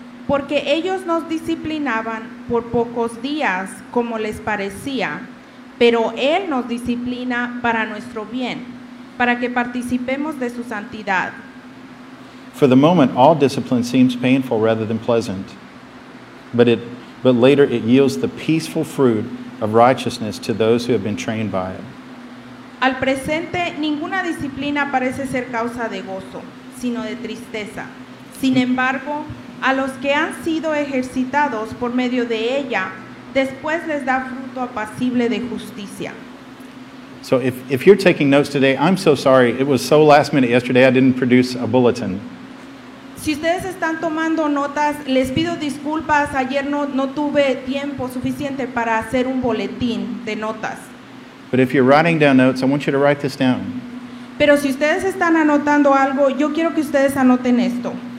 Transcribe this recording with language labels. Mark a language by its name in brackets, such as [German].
[Spanish] Porque ellos nos disciplinaban por pocos días como les parecía, pero él nos disciplina para nuestro bien, para que participemos de su santidad. [English] For the moment, all discipline seems painful rather than pleasant, but later it yields the peaceful fruit of righteousness to those who have been trained by it. [Spanish] Al presente, ninguna disciplina parece ser causa de gozo, sino de tristeza. Sin embargo, a los que han sido ejercitados por medio de ella, después les da fruto apacible de justicia. [English] So if you're taking notes today, I'm so sorry. It was so last minute yesterday, I didn't produce a bulletin. [Spanish] Si ustedes están tomando notas, les pido disculpas. Ayer no tuve tiempo suficiente para hacer un boletín de notas. [English] But if you're writing down notes, I want you to write this down. [Spanish] Pero si ustedes están anotando algo, yo quiero que ustedes anoten esto.